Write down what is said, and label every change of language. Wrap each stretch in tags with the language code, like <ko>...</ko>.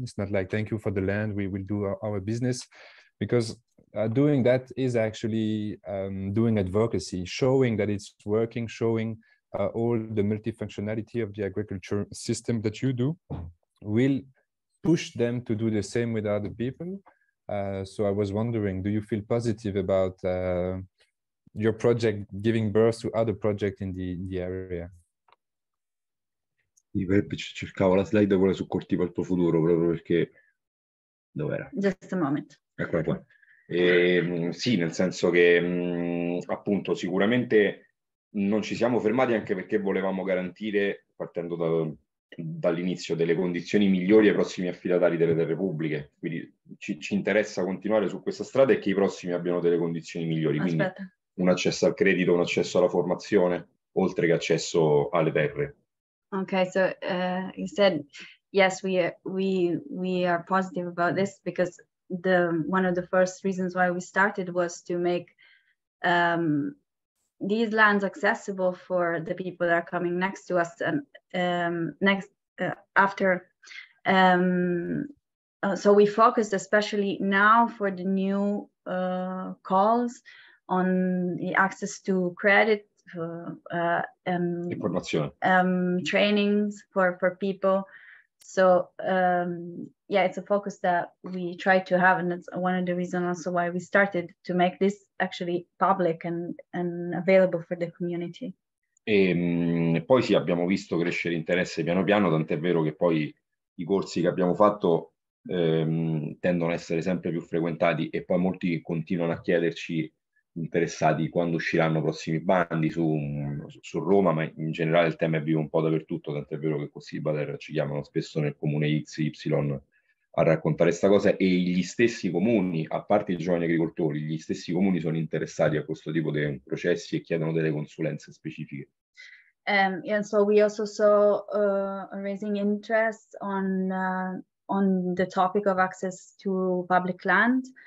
<en>It's not like, thank you for the land, we will do our business. Because doing that is actually doing advocacy, showing that it's working, showing all the multifunctionality of the agriculture system that you do will push them to do the same with other people. So I was wondering, do you feel positive about your project giving birth to other projects in the area?</en> <it>Cercavo la slide, quella su coltivo al tuo futuro, proprio perché dov'era?</it> <en>Just a moment.</en> <it>Eccola qua. E, sì, nel senso che appunto sicuramente non ci siamo fermati, anche perché volevamo garantire, partendo dall'inizio, delle condizioni migliori ai prossimi affidatari delle terre pubbliche. Quindi ci interessa continuare su questa strada e che i prossimi abbiano delle condizioni migliori. Aspetta. Quindi un accesso al credito, un accesso alla formazione, oltre che accesso alle terre.</it> <en>Okay, so you said yes, we are positive about this, because the one of the first reasons why we started was to make these lands accessible for the people that are coming next to us and so we focused especially now for the new calls on the access to credit. Information. Trainings for people. So yeah, it's a focus that we try to have, and it's one of the reasons also why we started to make this actually public and available for the community.</en> <it>E poi sì, abbiamo visto crescere interesse piano piano, tant'è vero che poi i corsi che abbiamo fatto tendono a essere sempre più frequentati e poi molti continuano a chiederci, interessati, quando usciranno i prossimi bandi su Roma, ma in generale il tema è vivo un po' dappertutto, tant'è vero che così i Bader ci chiamano spesso nel comune XY a raccontare questa cosa, e gli stessi comuni, a parte i giovani agricoltori, gli stessi comuni sono interessati a questo tipo di processi e chiedono delle consulenze specifiche.</it> <en>And so we also saw raising interest on the topic of access to public land.</en>